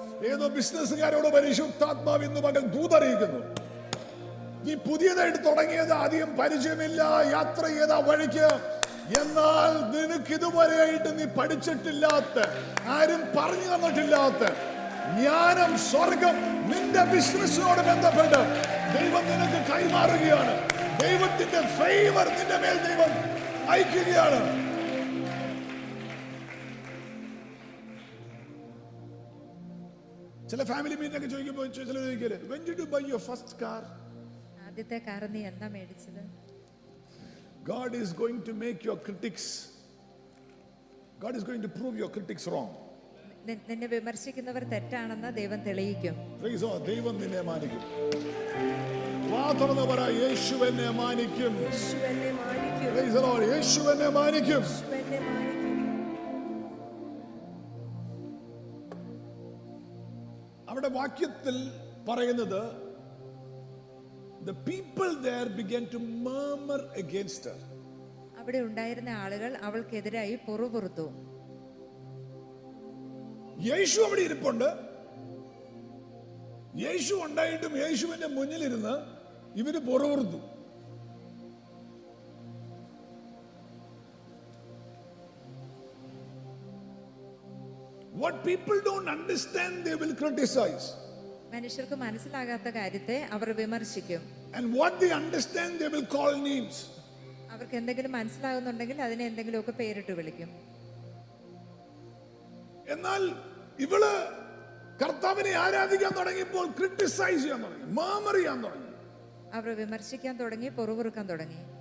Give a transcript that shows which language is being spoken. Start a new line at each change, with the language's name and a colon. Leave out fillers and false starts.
Malayalam: ഏതോ ബിസിനസ്സുകാരോട് പരിശുദ്ധാത്മാവ് ഇന്ന് പകൽ ദൂതറിയിക്കുന്നു, നീ പുതിയതായിട്ട് തുടങ്ങിയത് ആദ്യം പരിചയമില്ല, യാത്ര ചെയ്താ വഴിക്ക്, എന്നാൽ നിനക്ക് ഇതുവരെ ആയിട്ട് നീ പഠിച്ചിട്ടില്ലാത്ത, ആരും പറഞ്ഞു തന്നിട്ടില്ലാത്ത ജ്ഞാനം, സ്വർഗം നിന്റെ ബിസിനസ്സിനോട് ബന്ധപ്പെട്ട് ദൈവം നിനക്ക് കൈമാറുകയാണ്. ദൈവത്തിന്റെ ഫേവർ നിന്റെ മേൽ ദൈവം അയക്കുകയാണ്. ചില ഫാമിലി മീറ്റിംഗ് ഒക്കെ ചോദിക്കുമ്പോൾ ചില ചോദിക്കല്,
English: when did you buy your first car?
Malayalam: ആദ്യത്തെ കാർ നീ എന്താ മേടിച്ചത്?
English: God is going to make your critics, God is going to prove your critics wrong.
Malayalam: നിന്നെ വിമർശിക്കുന്നവർ തെറ്റാണെന്ന് ദൈവം തെളിയിക്കും.
English: Praise God,
Malayalam: ദൈവം നിന്നെ മാനിക്കും. വാദമുള്ളവരെ യേശു എന്നെ മാനിക്കും. യേശു എന്നെ മാനിക്കും.
English: Praise the Lord,
Malayalam: യേശു എന്നെ മാനിക്കും. യേശു എന്നെ മാനിക്കും. അവിടെ വാക്യത്തിൽ പറയുന്നത്,
English: the people there began to murmur against her.
Malayalam: അവിടെ ഉണ്ടായിരുന്ന ആളുകൾ അവൾക്കെതിരായി പുറുപുറുത്തു. യേശു അവിടെ ഇരിപ്പുണ്ട്. യേശു ഉണ്ടായിട്ടും യേശുവിന്റെ മുന്നിൽ ഇരുന്ന് ഇവര് പുറുപുറുത്തു.
English: What people don't understand, they will criticize.
Malayalam: മനുഷ്യർക്ക് മനസ്സിലാകാത്ത കാര്യത്തെ അവർ വിമർശിക്കും.
English: And what they understand, they will call names.
Malayalam: അവർക്ക് എന്തെങ്കിലും മനസ്സിലാകുന്നുണ്ടെങ്കിൽ അതിനെ എന്തെങ്കിലുമൊക്കെ പേരിട്ട് വിളിക്കും. എന്നാൽ ഇവള് കർത്താവിനെ ആരാധിക്കാൻ തുടങ്ങിയപ്പോൾ ക്രിട്ടിസൈസ് ചെയ്യാൻ തുടങ്ങി, മാമറിയാൻ തുടങ്ങി, അവർ വിമർശിക്കാൻ തുടങ്ങി, പൊറുപുറുക്കാൻ തുടങ്ങി.